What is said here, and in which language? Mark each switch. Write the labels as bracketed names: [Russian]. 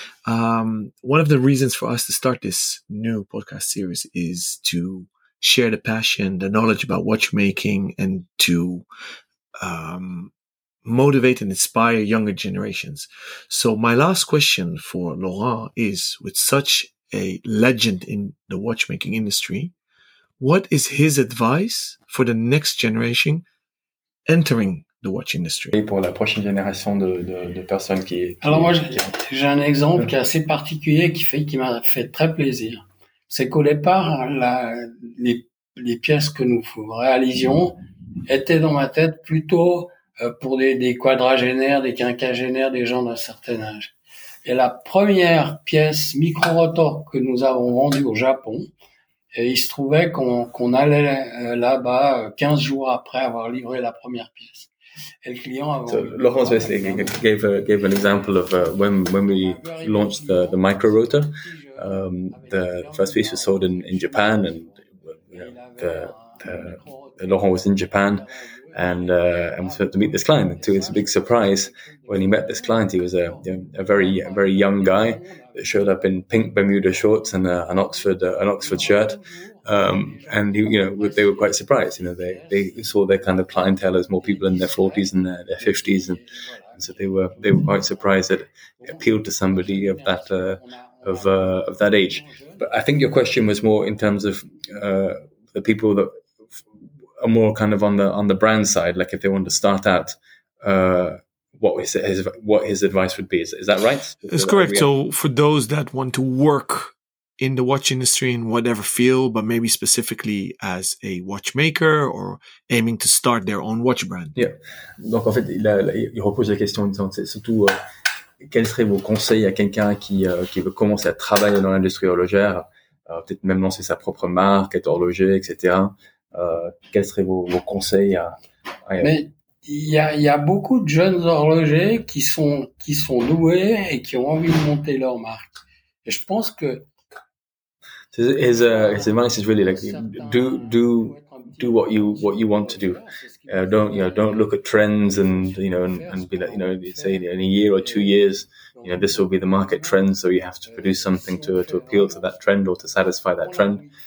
[English] One of the reasons for us to start this new podcast series is to share the passion, the knowledge about watchmaking, and to motivate and inspire younger generations. So my last question for Laurent is, with such a legend in the watchmaking industry. What is his advice for the next generation entering the watch industry? [French] Et pour la prochaine génération de personnes qui... Alors moi, j'ai un exemple qui est assez particulier qui m'a fait très plaisir. C'est qu'au départ, les pièces que nous réalisions étaient dans ma tête plutôt pour des quadragénaires, des quinquagénaires, des gens d'un certain âge. Et la première pièce micro-rotor que nous avons vendue au Japon, et il se trouvait qu'on allait là-bas 15 jours après avoir livré la première pièce. Et le client avait... [English] So, Laurent gave an example of when we launched the micro-rotor. The first piece was sold in Japan, and Laurent was in Japan and was about to meet this client. And to his big surprise, when he met this client, he was a very young guy that showed up in pink Bermuda shorts and an Oxford shirt. And he, you know, they were quite surprised. You know, they saw their kind of clientele as more people in their 40s and their 50s, and so they were quite surprised that it appealed to somebody of that. Of that age. But I think your question was more in terms of the people that are more kind of on the brand side, like if they want to start out, what his advice would be. Is that right? It's correct. So for those that want to work in the watch industry in whatever field, but maybe specifically as a watchmaker or aiming to start their own watch brand. Yeah. [French] Donc en fait, il repose la question en disant, c'est surtout... quels seraient vos conseils à quelqu'un qui veut commencer à travailler dans l'industrie horlogère, peut-être même lancer sa propre marque, être horloger, etc. Quels seraient vos conseils à... Mais il y a beaucoup de jeunes horlogers qui sont doués et qui ont envie de monter leur marque. Et je pense que... [English] It's really like, do what you want to do. Don't look at trends and be like, you know, say in a year or 2 years, you know, this will be the market trend, so you have to produce something to appeal to that trend or to satisfy that trend.